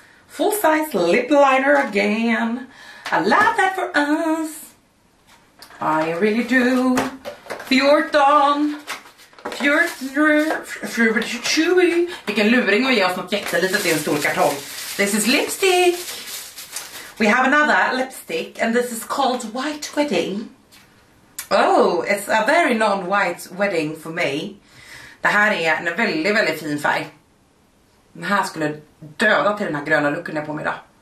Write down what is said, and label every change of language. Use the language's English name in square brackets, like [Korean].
[English] Full size lip liner again. I love that for us. I really do. 14. 14. Fruity. [Swedish] Vilken luring att ge oss något jättelitet i en stor kartong. [English] This is lipstick. We have another lipstick and this is called White Wedding. Oh, it's a very non-white wedding for me. [Swedish] Det här är en väldigt, väldigt fin färg. Den här skulle döda till den här gröna looken jag på mig idag.